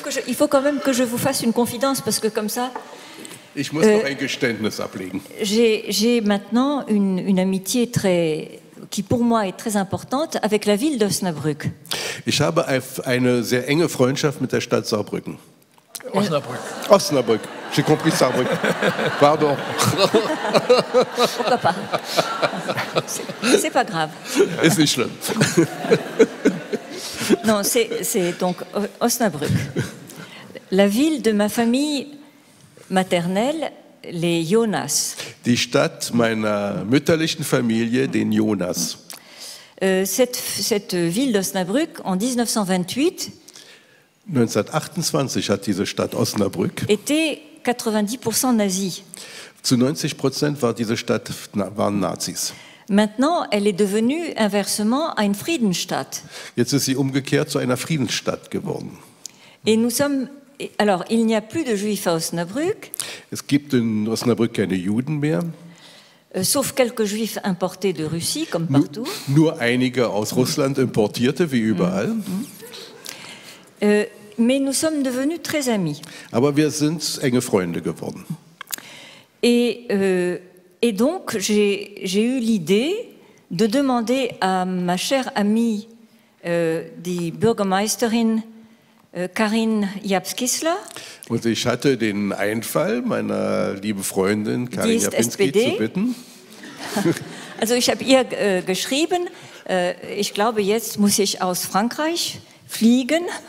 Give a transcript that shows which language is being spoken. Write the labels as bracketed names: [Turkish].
[French] Il faut quand même que je vous fasse une confidence, parce que comme ça... [German] Ich muss noch ein Geständnis ablegen. [French] J'ai maintenant une amitié très... qui pour moi est très importante, avec la ville d'Osnabrück. [German] Ich habe eine sehr enge Freundschaft mit der Stadt Saarbrücken. [French] Osnabrück. J'ai compris Saarbrück. Pardon. Pourquoi pas? C'est pas grave. Et c'est schlimm. Non, c'est donc Osnabrück. La ville de ma famille maternelle, les Jonas. [German] Die Stadt meiner mütterlichen Familie, den Jonas. [French] Cette ville d'Osnabrück en 1928. [German] 1928 hat diese Stadt Osnabrück [French] était 90% nazi. [German] Zu 90% war diese Stadt waren Nazis. [French] Maintenant, elle est devenue inversement une Friedensstadt. [German] Jetzt ist sie umgekehrt zu einer Friedensstadt geworden. [French] Et nous sommes alors il n'y a plus de juifs à Osnabrück. [German] Es gibt in Osnabrück keine Juden mehr. [French] Sauf quelques juifs importés de Russie comme partout. [German] Nur einige aus Russland importierte wie überall. [French] Mais nous sommes devenus très amis. [German] Aber wir sind enge Freunde geworden. [French] Et donc j'ai eu l'idée de demander à ma chère amie, [German] die Bürgermeisterin [French] Karin Japskisler. [German] Und ich hatte den Einfall, meiner lieben Freundin Karin Japskisler zu bitten. Also ich habe ihr geschrieben, ich glaube, jetzt muss ich aus Frankreich fliegen.